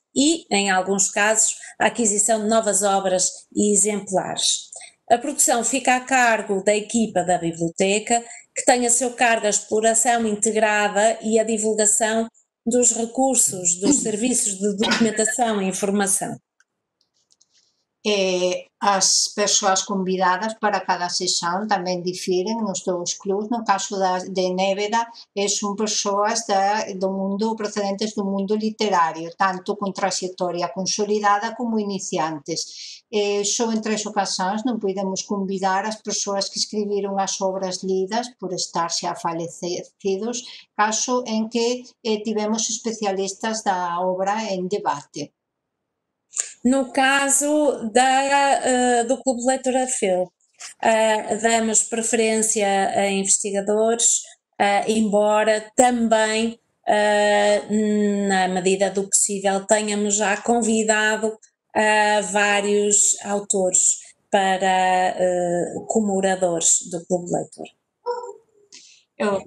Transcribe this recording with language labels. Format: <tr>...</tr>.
<pt>E, em alguns casos, a aquisição de novas obras e exemplares. A produção fica a cargo da equipa da biblioteca, que tem a seu cargo a exploração integrada e a divulgação dos recursos dos serviços de documentação e informação.</pt> <gl>As persoas convidadas para cada sesión tamén difiren nos dous clubs. No caso de Néveda, son persoas do mundo procedentes do mundo literario, tanto con traxectoria consolidada como iniciantes. Só en tres ocasións non podemos convidar as persoas que escribiron as obras lidas por estar xa falecidos, caso en que tivemos especialistas da obra en debate.</gl> <pt>No caso do Clube Leitura FEUP, damos preferência a investigadores, embora também Na medida do possível, tenhamos já convidado vários autores para como oradores do Clube Leitor.</pt>